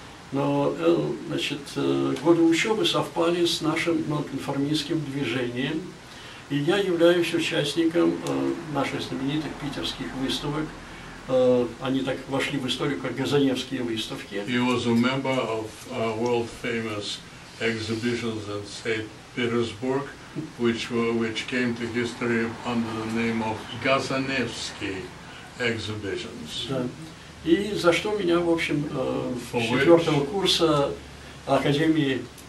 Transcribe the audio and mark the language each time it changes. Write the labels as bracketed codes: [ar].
[ru] Но, значит, годы учебы совпали с нашим нонконформистским движением. И я являюсь участником наших знаменитых питерских выставок. Они так вошли в историю, как Газаневские выставки. [en] He was a member of world-famous exhibitions in St. Petersburg, which came to history under the name of Газаневские exhibitions. [ru] И за что меня, в общем, четвертого курса Академии